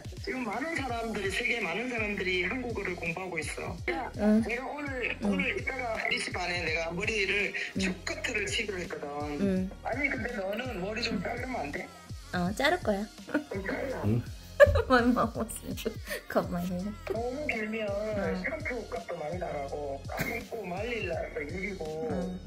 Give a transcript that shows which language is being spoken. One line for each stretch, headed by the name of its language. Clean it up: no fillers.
Korean: 지금 세계 많은 사람들이 한국어를 공부하고 있어. 내가 오늘 이따가 1시 반에 내가 머리를 쇼커트를 치기로 했거든. 아니 근데 너는 머리 좀 자르면 안 돼? 자를 거야. 잘라.
English: My mom wants to cut my hair.
Korean: 너무 길면 샴푸 값도 많이 나가고 감고 말릴 날도 이기고.